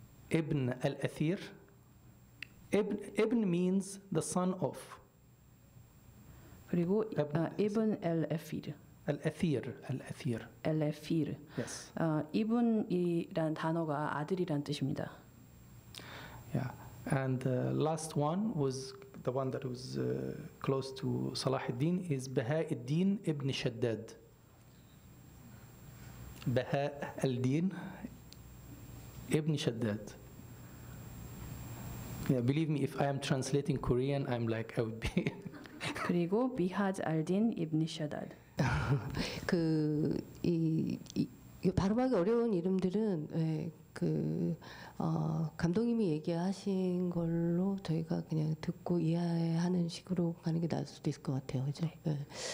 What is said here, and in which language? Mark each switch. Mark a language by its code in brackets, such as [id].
[en] Ibn al-Athir. Ibn means the son of. [ko] 그리고 Ibn al-Athir. [en] Al-Athir, Al-Athir. Al-Athir. Yes. [ko] Ibn이란 단어가 아들이란 뜻입니다. [en] Yeah, and the last one was the one that was close to Salah al-Din is Bahá'u'l-Dín ibn Shaddad. Bahá'u'l-Dín ibn Shaddad. Yeah, believe me, if I am translating Korean, I'm like, I would be. [ko] 그리고 Bahá'u'l-Dín ibn Shaddad. 그 이 발음하기 어려운 이름들은 예, 그 감독님이 얘기하신 걸로 저희가 그냥 듣고 이해하는 식으로 가는 게 나을 수도 있을 것 같아요. 그죠? 네. 예.